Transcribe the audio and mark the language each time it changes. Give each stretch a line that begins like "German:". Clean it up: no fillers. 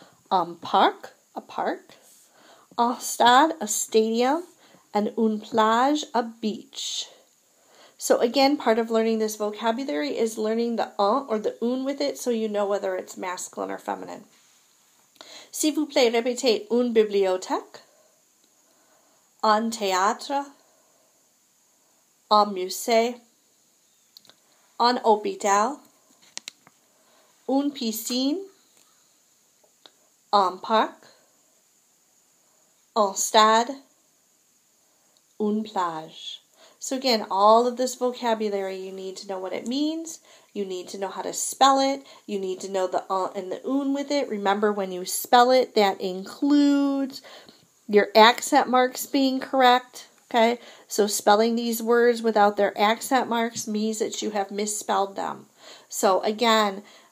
French: Un parc,
English: a park.
French: Un stade,
English: a stadium. And
French: une plage,
English: a beach. So again, part of learning this vocabulary is learning the un or the une with it so you know whether it's masculine or feminine.
French: S'il vous plaît, répétez une bibliothèque, un théâtre, un musée, un hôpital, une piscine, un parc, un stade, une plage.
English: So again, all of this vocabulary, you need to know what it means. You need to know how to spell it. You need to know the un and the une with it. Remember, when you spell it, that includes your accent marks being correct. Okay? So spelling these words without their accent marks means that you have misspelled them. So again,